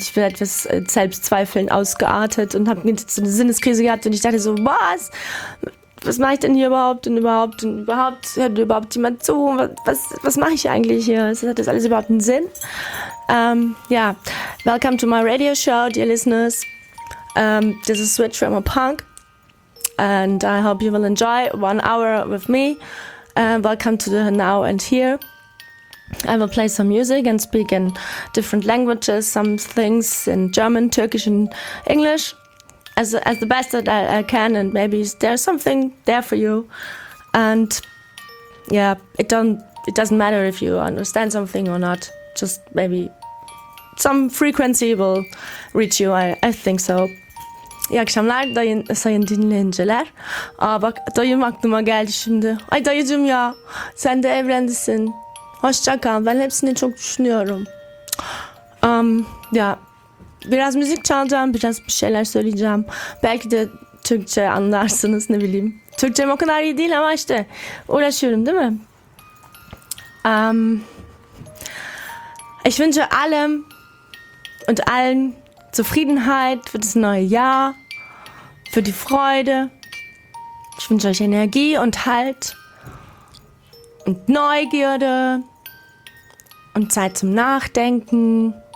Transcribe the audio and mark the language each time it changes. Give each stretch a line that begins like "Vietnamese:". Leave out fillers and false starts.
German: Ich bin etwas Selbstzweifeln ausgeartet und habe jetzt eine Sinneskrise gehabt. Und ich dachte so, was? Was mache ich denn hier überhaupt und überhaupt und überhaupt? Hört überhaupt jemand zu? Was mache ich eigentlich hier? Hat das alles überhaupt einen Sinn?
English: Ja, welcome to my radio show, dear listeners. This is Switch from a Punk. And I hope you will enjoy 1 hour with me. Welcome to the now and here. I will play some music and speak in different languages, some things in German, Turkish and English. As the best that I can, and maybe there's something there for you. And yeah, it doesn't matter if you understand something or not, just maybe some frequency will reach you, I think so.
Turkish: İyi akşamlar sayın dinleyiciler. Aa bak, dayım aklıma geldi şimdi. Ay dayıcım ya, sen de evrendesin. Hoşça kal, ben hepsini çok düşünüyorum. Yeah. Biraz müzik çalacağım, biraz bir şeyler söyleyeceğim. Belki de Türkçe anlarsınız, ne bileyim. Türkçem o kadar iyi değil ama işte uğraşıyorum, değil mi?
German: Ich wünsche allem und allen Zufriedenheit für das neue Jahr, für die Freude. Ich wünsche euch Energie und Halt und Neugierde und Zeit zum Nachdenken.